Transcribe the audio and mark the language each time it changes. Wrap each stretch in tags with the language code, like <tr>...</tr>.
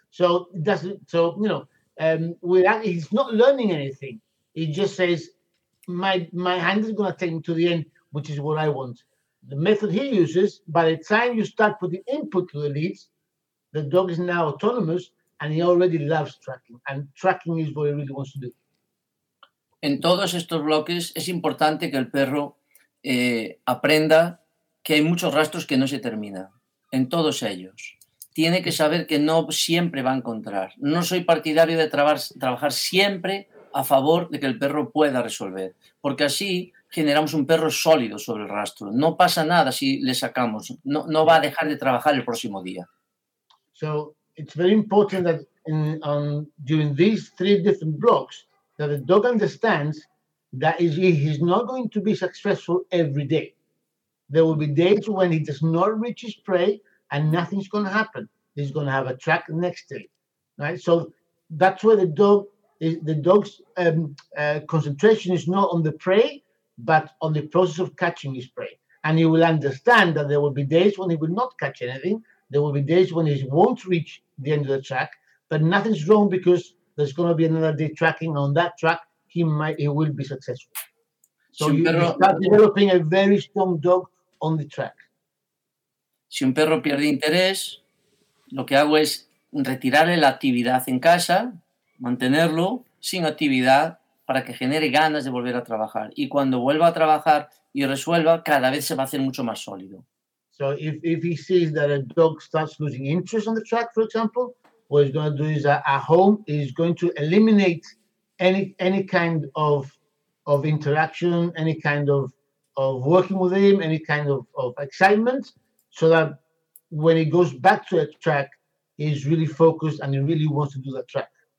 <en>He's not learning anything. He just says, my hand is going to take me to the end, which is what I want. The method he uses, by the time you start putting input to the leads, the dog is now autonomous and he already loves tracking. And tracking is what he really wants to do.</en> <es>En todos estos bloques es importante que el perro aprenda que hay muchos rastros que no se terminan. En todos ellos. Tiene que saber que no siempre va a encontrar. No soy partidario de trabajar siempre a favor de que el perro pueda resolver. Porque así generamos un perro sólido sobre el rastro. No pasa nada si le sacamos. No va a dejar de trabajar el próximo día.</es> <en>So it's very important that during these three different blocks that the dog understands that he's not going to be successful every day. There will be days when he does not reach his prey and nothing's going to happen. He's going to have a track the next day, right? So that's where the dog's concentration is not on the prey, but on the process of catching his prey. And he will understand that there will be days when he will not catch anything. There will be days when he won't reach the end of the track, but nothing's wrong because there's going to be another day tracking on that track. He will be successful. So you start developing a very strong dog on the track.</en> <es>Si un perro pierde interés, lo que hago es retirarle la actividad en casa, mantenerlo sin actividad para que genere ganas de volver a trabajar. Y cuando vuelva a trabajar y resuelva, cada vez se va a hacer mucho más sólido.</es> <en>So if he sees that a dog starts losing interest on the track, for example, what he's going to do is at home, he's going to eliminate any kind of interaction, any kind of working with him, any kind of excitement, so that when he goes back to a track, he's really focused and he really wants to do that track.</en>